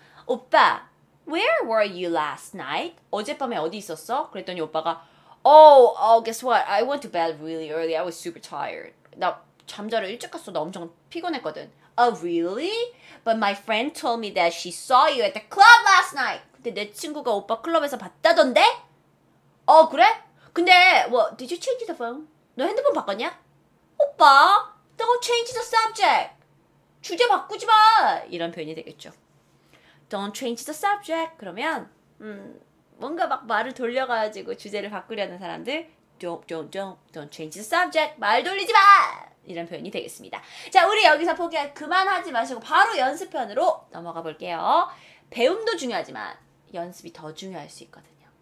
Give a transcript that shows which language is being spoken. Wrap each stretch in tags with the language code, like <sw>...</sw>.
<en>오빠, where were you last night?</en> <ko>어젯밤에 어디 있었어?</ko> <en>그랬더니 오빠가 Oh, guess what? I went to bed really early. I was super tired.</en> <ko>나 잠자를 일찍 갔어. 나 엄청 피곤했거든.</ko> <en>Oh, really? But my friend told me that she saw you at the club last night.</en> <ko>근데 내 친구가 오빠 클럽에서 봤다던데? 어, 그래? 근데,</ko> <en>well, did you change the phone?</en> <ko>너 핸드폰 바꿨냐?</ko> <en>오빠, don't change the subject.</en> <ko>주제 바꾸지 마. 이런 표현이 되겠죠.</ko> <en>Don't change the subject.</en> <ko>그러면, 뭔가 막 말을 돌려가지고 주제를 바꾸려는 사람들.</ko> <en>Don't change the subject.</en> <ko>말 돌리지 마. 이런 표현이 되겠습니다. 자, 우리 여기서 포기할 그만하지 마시고 바로 연습편으로 넘어가 볼게요. 배움도 중요하지만 연습이 더 중요할 수 있거든요.</ko>